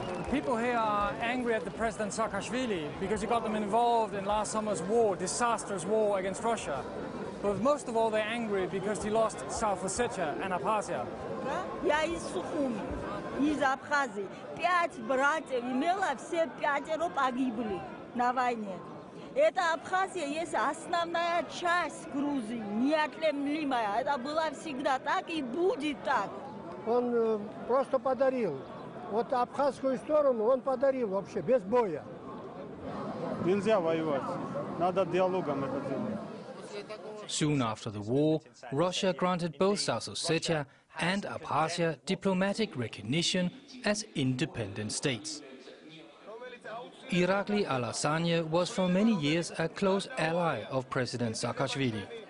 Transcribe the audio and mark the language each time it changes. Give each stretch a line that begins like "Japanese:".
English: People here are angry at the president Saakashvili because he got them involved in last summer's war, disastrous war against Russia. But most of all, they're angry because he lost South Ossetia and Abkhazia.
Russian: Я из Сухуми, из Абхазии. Пять братьев имела, все пятеро погибли на войне. Это Абхазия есть основная часть Грузии, неотъемлемая. Это было всегда так и будет так. Он просто подарил. Вот абхазскую сторону он подарил вообще, без боя. Нельзя воевать. Надо диалогом это делать.
English: Soon after the war, Russia granted both South Ossetia and Abkhazia diplomatic recognition as independent states. Irakli Alasanya was for many years a close ally of President Saakashvili.